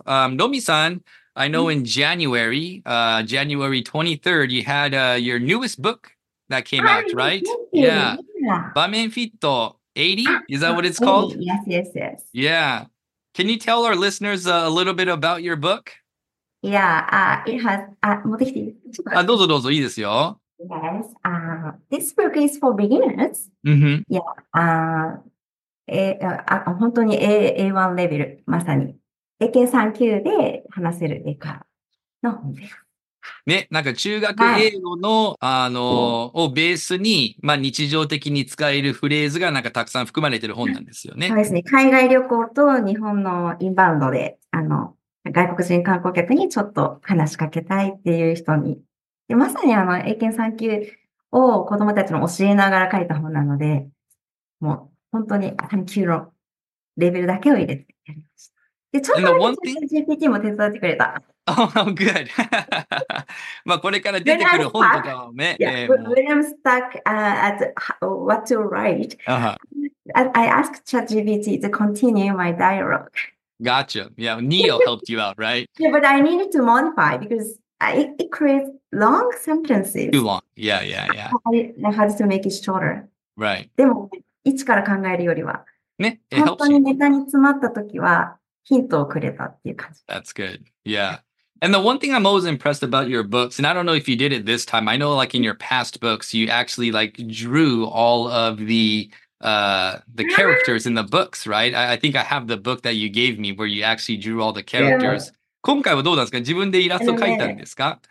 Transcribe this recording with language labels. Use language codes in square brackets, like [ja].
[en] Nomi-san, I know in January, January 23rd, you had your newest book that came out, right? Yeah. Bamen Fitto 80, is that what it's called? Yes, yes, yes. Yeah. Can you tell our listeners a little bit about your book? Yeah, it has... [ja] どうぞどうぞ, いいですよ。 [en] Yes, this book is for beginners. Mm-hmm. [ja] Yeah, 本当に A1 レベル、まさに。英検三級で話せる英会話の本です。ね、なんか中学英語の、はい、をベースに、まあ日常的に使えるフレーズがなんかたくさん含まれてる本なんですよね。そうですね。海外旅行と日本のインバウンドで、外国人観光客にちょっと話しかけたいっていう人に。で、まさに英検3級を子供たちの教えながら書いた本なので、もう本当に3級のレベルだけを入れてやりました。で、ちょっとチャット GPT も手伝ってくれた。 [en] Oh, good. [ja] まあこれから出てくる本とかもね。 [en] When I'm stuck at what to write,、uh-huh. I ask ChatGPT to continue my dialogue. Gotcha. Yeah, Neo helped you out, right? Yeah, but I needed to modify because it creates long sentences. Too long. Yeah, yeah, yeah. I had to make it shorter. Right. [ja] でも一から考えるよりは、ね、本当にネタに詰まった時は。ヒントをくれたっていう感じ。 [en] That's good. Yeah. And the one thing I'm always impressed about your books, and I don't know if you did it this time, I know like in your past books, you actually like drew all of the characters in the books, right? I think I have the book that you gave me where you actually drew all the characters. Yeah. [ja] 今回はどうなんですか？自分でイラスト描いたんですか？